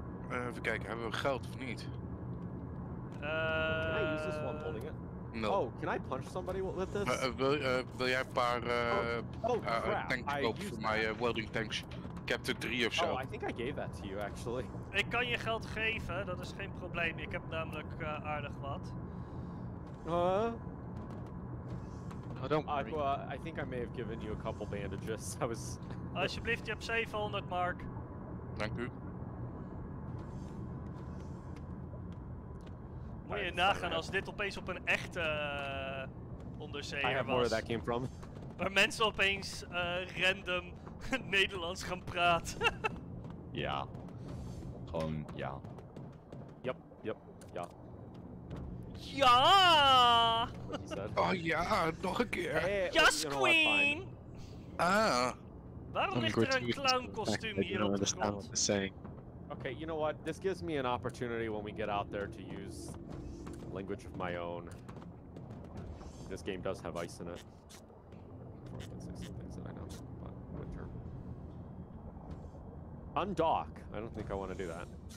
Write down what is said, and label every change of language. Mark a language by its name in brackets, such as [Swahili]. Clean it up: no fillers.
[Dutch] Even kijken, hebben we geld of niet? [English] Can I use this while I'm holding it? No. Oh, can I punch somebody with this? [Dutch] Wil jij een paar tanks kopen voor mijn welding tanks? Ik heb er 3 of zo. [English] Oh, I think I gave that to you, actually. [Dutch] Ik kan je geld geven, dat is geen probleem. Ik heb namelijk aardig wat. [English] Oh, don't worry. Aqua, I think I may have given you a couple bandages. I was... [Dutch] Alsjeblieft, je hebt 700, Mark. Dank u. Moet je nagaan als dit opeens op een echte onderzeeër was. [English] I have more where that came from. [Dutch] Waar mensen opeens random Nederlands gaan praten. Ja. Gewoon, ja. [English] Yep, yep, ja. [Dutch] Ja! Oh ja, nog een keer. [English] Hey, yes, queen! Ah. [Dutch] Waarom ligt er een clown kostuum hier op de grond? [English] Okay, you know what? This gives me an opportunity when we get out there to use language of my own. This game does have ice in it. I can say some things that I know, but winter. Undock. I don't think I want to do that.